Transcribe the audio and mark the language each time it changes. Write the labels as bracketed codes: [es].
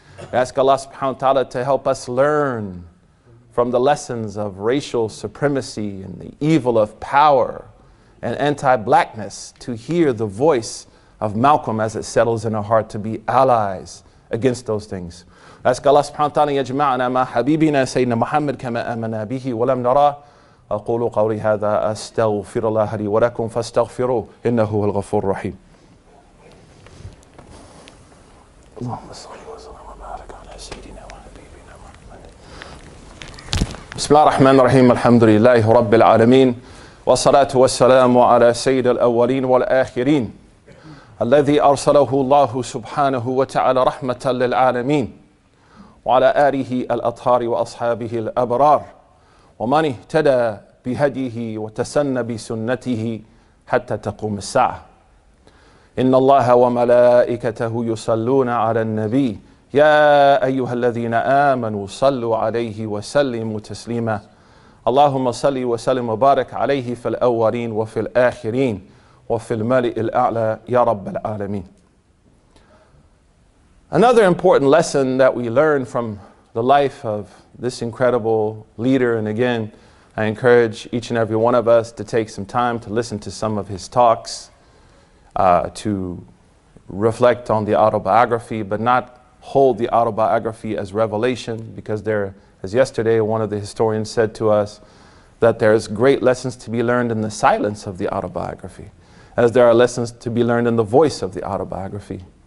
[en] We ask Allah subhanahu wa ta'ala to help us learn from the lessons of racial supremacy and the evil of power and anti-blackness, to hear the voice of Malcolm as it settles in our heart to be allies against those things. We ask [ar] Allah subhanahu wa ta'ala yajma'ana ma habibina Sayyidina Muhammad kama amana bihi wa lam nara. أقول قولي هذا أستغفر الله لي ولكم فاستغفروه إنه هو الغفور الرحيم. اللهم صل وسلم وبارك على سيدنا وحبيبنا محمد. بسم الله الرحمن الرحيم. الحمد لله رب العالمين، والصلاة والسلام على سيد الأولين والآخرين الذي أرسله الله سبحانه وتعالى رحمة للعالمين، وعلى آله الأطهار وأصحابه الأبرار، ومن اهتدى بهديه وتسن بسنته حتى تقوم الساعة. إن الله وملائكته يصلون على النبي، يا أيها الذين آمنوا صلوا عليه وسلموا تسليما. اللهم صل وسلم وبارك عليه في الأولين وفي الآخرين وفي الملأ الأعلى يا رب العالمين. [en] Another important lesson that we learn from the life of this incredible leader, and again, I encourage each and every one of us to take some time to listen to some of his talks, to reflect on the autobiography, but not hold the autobiography as revelation, because there, as yesterday one of the historians said to us, that there's great lessons to be learned in the silence of the autobiography, as there are lessons to be learned in the voice of the autobiography.